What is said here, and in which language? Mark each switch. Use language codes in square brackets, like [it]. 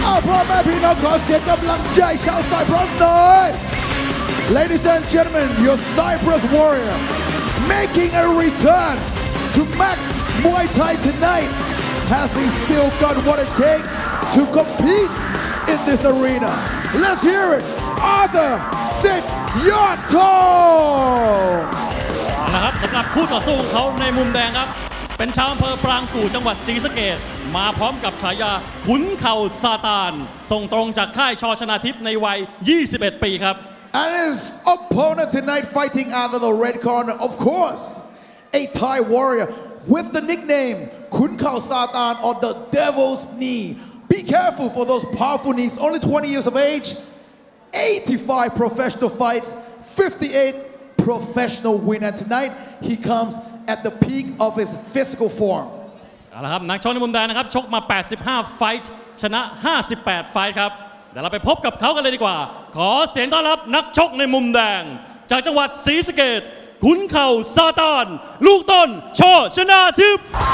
[th] พ่อแม่พี่น้องขอเสียงกำลังใจชาวไซปรัสหน่อย [en] Ladies and gentlemen, your Cyprus warrior making a return to Max Muay Thai tonight. Has he still got what it takes to compete in this arena? Let's hear it, Arthur Sikyato. [th] นะครับสำหรับคู่ต่อสู้ของเขาในมุมแดงครับเป็นชาวอำเภอปรางกู่จังหวัดศรีสะเกษมาพร้อมกับฉายาขุนเข่าซาตานส่งตรงจากค่ายชอชนาทิพย์ในวัย21ปีครับ [en] And his opponent tonight fighting out of the red corner of course a Thai warrior with the nickname ขุนเข่าซาตานor the devil's knee be careful for those powerful knees only 20 years of age 85 professional fights 58 professional win and tonight he comesat the peak of his physical form. [th] เอาละครับนักชกในมุมแดงนะครับชกมา85ไฟท์ชนะ58ไฟท์ครับเดี๋ยวเราไปพบกับเขากันเลยดีกว่าขอเสียงต้อนรับนักชกในมุมแดงจากจังหวัดศรีสะเกษขุนเข่าซาตานลูกต้นชอชนาทิพย์